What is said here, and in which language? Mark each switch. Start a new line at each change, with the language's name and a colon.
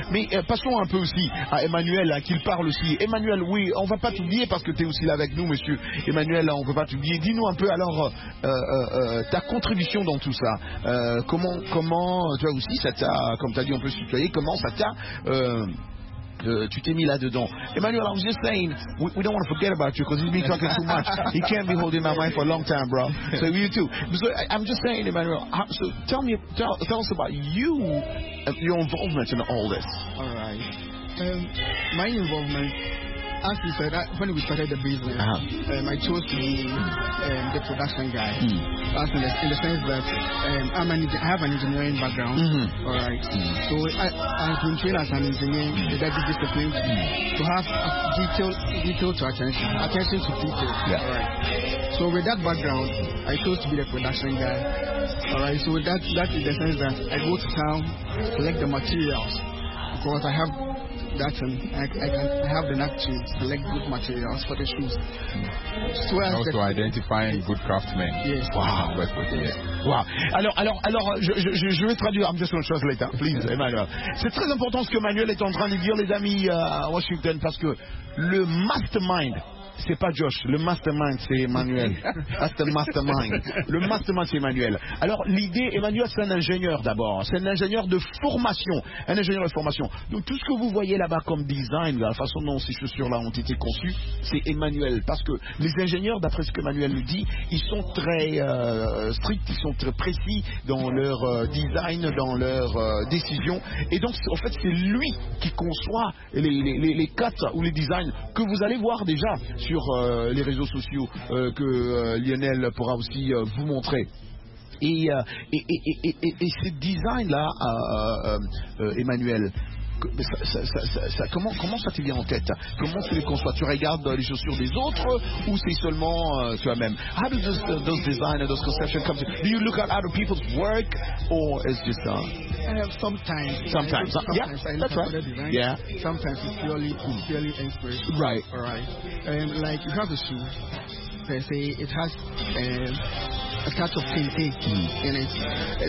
French: Mais passons un peu aussi à Emmanuel, à qu'il parle aussi. Emmanuel, oui, on va pas t'oublier parce que tu es aussi là avec nous, monsieur. Emmanuel, on peut pas t'oublier. Dis-nous un peu alors ta contribution dans tout ça. Comment toi aussi, ça t'a, comme tu as dit, on peut se tutoyer, comment ça t'a. Tu t'es mis là-dedans.
English: Emmanuel, I was just saying, we don't want to forget about you because he's been talking too much. He can't be holding my mind for a long time, bro. So you too. So I'm just saying, Emmanuel, so tell us about you, your involvement in all this. All right. My involvement, as you said, when we started the business, I chose to be the production guy. Mm. In the sense that I have an engineering background. Mm-hmm. All right. Mm. So I've been trained as an engineer. Mm. That's the discipline to have detail to attention to detail. Yeah. All right. So with that background, I chose to be the production guy. All right. So that is the sense that I go to town, collect the materials, because I have. That and I have the knack to select good materials for the shoes. So also identifying good craftsmen. Yes.
French: Wow. Wow. Alors, je vais traduire.
English: I'm just going to translate that, please, Emmanuel.
French: C'est très important ce que Emmanuel est en train de dire, les amis à Washington, parce que le mastermind. C'est pas Josh, le mastermind c'est Emmanuel.
English: That's the mastermind.
French: Le mastermind c'est Emmanuel. Alors l'idée, Emmanuel c'est un ingénieur d'abord. C'est un ingénieur de formation. Un ingénieur de formation. Donc tout ce que vous voyez là-bas comme design, la façon dont ces chaussures-là ont été conçues, c'est Emmanuel. Parce que les ingénieurs, d'après ce que Emmanuel nous dit, ils sont très stricts, ils sont très précis dans leur design, dans leur décision. Et donc en fait c'est lui qui conçoit les cuts ou les designs que vous allez voir déjà sur les réseaux sociaux que Lionel pourra aussi vous montrer. Et ce design-là, Emmanuel, comment ça te vient en tête? Comment tu les conçois? Tu regardes les chaussures des autres ou c'est seulement toi-même?
English: How do those designs, those conceptions come to? Do you look at other people's work or is this Sometimes. Sometimes. Yeah. Sometimes it's purely inspiration. Right. All right. Like you have a shoe. Per se, it has a touch of painting in it.